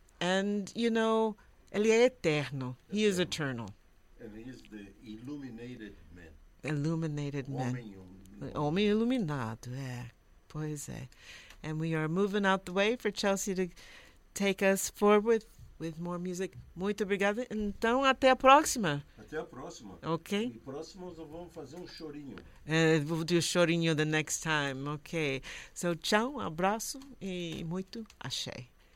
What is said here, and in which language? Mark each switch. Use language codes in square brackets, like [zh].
[en] And, you know, [pt] ele é eterno. [en] He is eternal. And he's the illuminated man. Illuminated man. [pt] Homem iluminado. Yeah. Pois é. [en] And we are moving out the way for Chelsea to take us forward with more music. [pt] Muito obrigada. Então, até a próxima. Até a próxima. Ok. E próximos vamos fazer chorinho. [en] We'll do chorinho the next time. Ok. [pt] So, tchau, abraço e muito axé.